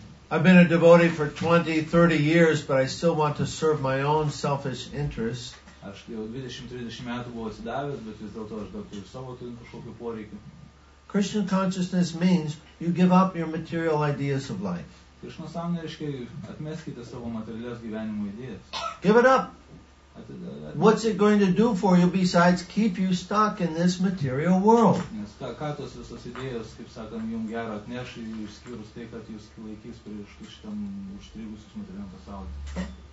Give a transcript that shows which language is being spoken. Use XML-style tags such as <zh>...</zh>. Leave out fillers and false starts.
<en>I've been a devotee for 20, 30 years, but I still want to serve my own selfish interests.</en> <lt>Aš jau 20-30 metų buvau atsidavęs, bet vis dėlto aš dar turiu savo turiu kažkokių poreikių.</lt> <en>Krishna consciousness means you give up your material ideas of life.</en> <lt>Krishna sąmonė reiškia, atmeskite savo materialias gyvenimo idėjas.</lt> <en>Give it up. What's it going to do for you besides keep you stuck in this material world?</en> <lt>Nes ką tos visos idėjos, kaip sakant, jums gerą atneš, išskyrus tai, kad jūs laikys prieš šitam užstrigusius materialiam pasaulyje.</lt>